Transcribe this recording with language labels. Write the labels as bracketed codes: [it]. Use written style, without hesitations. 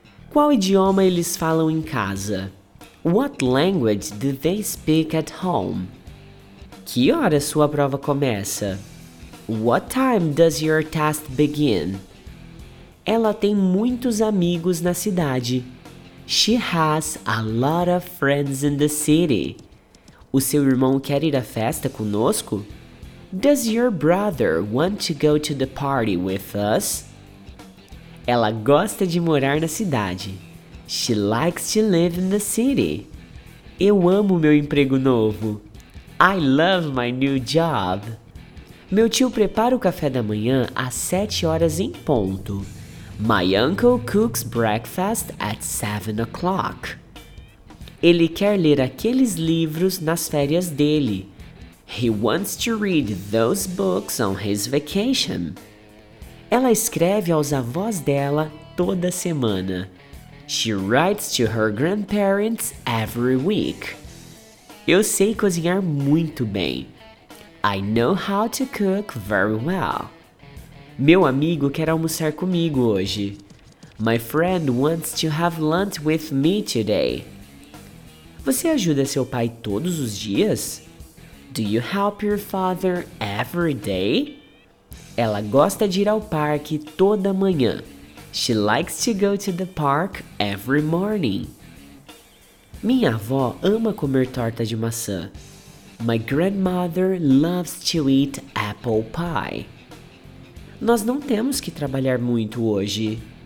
[pt] Qual idioma eles falam em casa? [en] What language do they speak at home? [pt] Que hora sua prova começa? [en] What time does your test begin? [pt] Ela tem muitos amigos na cidade. [en] She has a lot of friends in the city. [pt] O seu irmão quer ir à festa conosco? [en] Does your brother want to go to the party with us? [pt] Ela gosta de morar na cidade. [en] She likes to live in the city. [pt] Eu amo meu emprego novo. [en] I love my new job. [pt] Meu tio prepara o café da manhã às 7 horas em ponto. [en] My uncle cooks breakfast at 7 o'clock. [pt] Ele quer ler aqueles livros nas férias dele. [en] He wants to read those books on his vacation. [pt] Ela escreve aos avós dela toda semana. [en] She writes to her grandparents every week. [pt] Eu sei cozinhar muito bem. [en] I know how to cook very well. [pt] Meu amigo quer almoçar comigo hoje. [en] My friend wants to have lunch with me today. [pt] Você ajuda seu pai todos os dias? [en] Do you help your father every day? [pt] Ela gosta de ir ao parque toda manhã. [en] She likes to go to the park every morning. [pt] Minha avó ama comer torta de maçã. [en] My grandmother loves to eat apple pie. [pt] Nós não temos que trabalhar muito hoje.